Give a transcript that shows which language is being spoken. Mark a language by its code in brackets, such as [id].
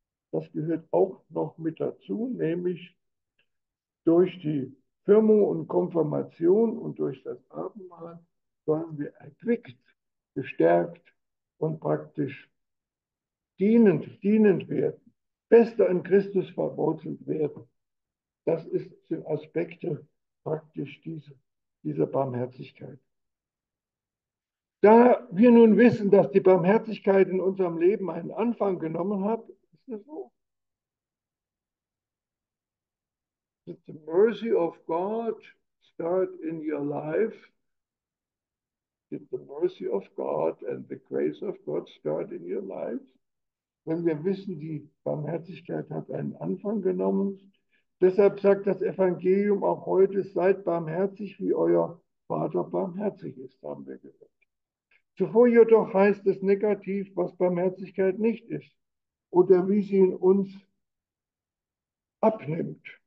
[de] Das gehört auch noch mit dazu, nämlich durch die Firmung und Konfirmation und durch das Abendmahl sollen wir erquickt, gestärkt und praktisch dienend werden, fester in Christus verwurzelt werden. Das ist, sind Aspekte praktisch dieser Barmherzigkeit. Da wir nun wissen, dass die Barmherzigkeit in unserem Leben einen Anfang genommen hat, ist das so. [en] Did the mercy of God start in your life? Did the mercy of God and the grace of God start in your life? [de] Wenn wir wissen, die Barmherzigkeit hat einen Anfang genommen. Deshalb sagt das Evangelium auch heute: Seid barmherzig, wie euer Vater barmherzig ist, haben wir gehört. Zuvor jedoch heißt es negativ, was Barmherzigkeit nicht ist oder wie sie in uns abnimmt.